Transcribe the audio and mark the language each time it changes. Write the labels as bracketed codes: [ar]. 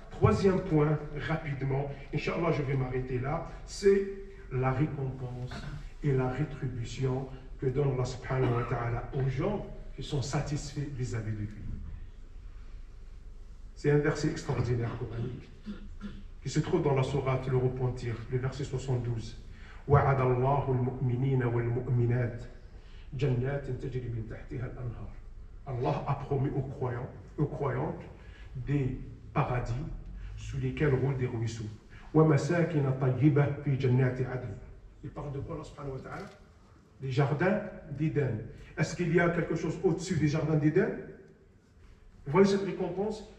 [fr] Troisième point, rapidement, inshallah je vais m'arrêter là, c'est la récompense et la rétribution que donne Allah subhanahu wa ta'ala aux gens qui sont satisfaits vis-à-vis de lui. C'est un verset extraordinaire coranique. qui se trouve dans la sourate, le repentir, le verset 72. [ar] وعد الله المؤمنين والمؤمنات جنات تجري من تحتها الأنهار. [fr] Allah a promis aux croyants, des paradis sous lesquels roulent des ruisseaux. [ar] ومساكن طيبة في جنات عدن. [fr] Il parle de quoi, Allah subhanahu wa ta'ala? Des jardins d'Éden. Est-ce qu'il y a quelque chose au-dessus des jardins d'Éden? Vous voyez cette récompense?